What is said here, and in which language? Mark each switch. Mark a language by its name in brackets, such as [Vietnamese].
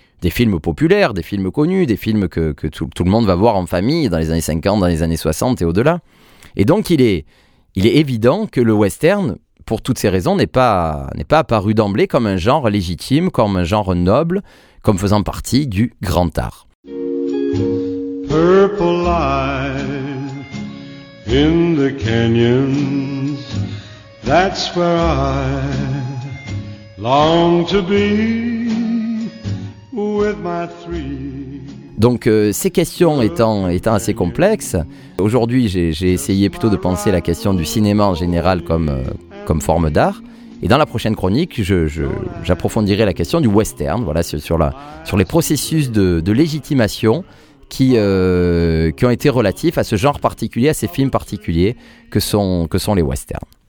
[French] Des films populaires, des films connus, des films que tout le monde va voir en famille dans les années 50, dans les années 60 et au-delà. Et donc, il est évident que le western, pour toutes ces raisons, n'est pas apparu d'emblée comme un genre légitime, comme un genre noble, comme faisant partie du grand art. [English] Purple lies in the canyons, that's where I long to be with my three. [French] Donc, ces questions étant assez complexes, aujourd'hui j'ai essayé plutôt de penser la question du cinéma en général comme forme d'art. Et dans la prochaine chronique, j'approfondirai la question du western, voilà, sur les processus de légitimation qui ont été relatifs à ce genre particulier, à ces films particuliers que sont les westerns.